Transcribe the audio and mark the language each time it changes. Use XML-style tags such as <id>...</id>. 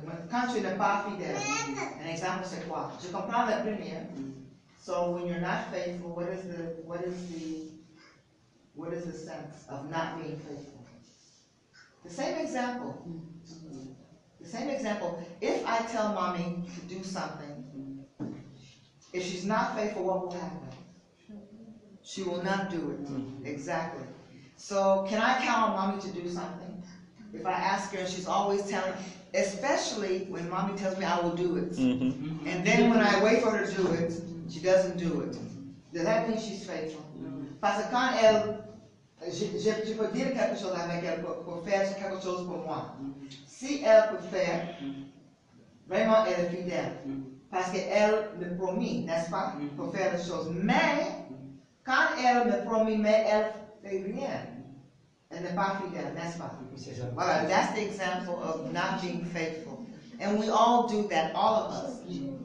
<fr>Quand tu n'es pas fidèle, un exemple c'est quoi? Je comprends la première.</fr> <en>So when you're not faithful, what is the sense of not being faithful? The same example. The same example. If I tell mommy to do something, if she's not faithful, what will happen? She will not do it. Exactly. So can I count on mommy to do something? If I ask her, she's always telling, especially when mommy tells me I will do it. And then when I wait for her to do it, she doesn't do it. Does that mean she's faithful?</en> <fr>Parce que quand elle, je peux dire quelque chose avec elle pour faire quelque chose pour moi. Si elle peut faire, vraiment elle est fidèle. Parce que elle me promet, n'est-ce pas, pour faire les choses. Mais, quand elle me promet, mais elle fait rien.</fr> <en>And the Bafidel, that's Bafidel. Voilà, that's the example of not being faithful. And we all do that, all of us.</en>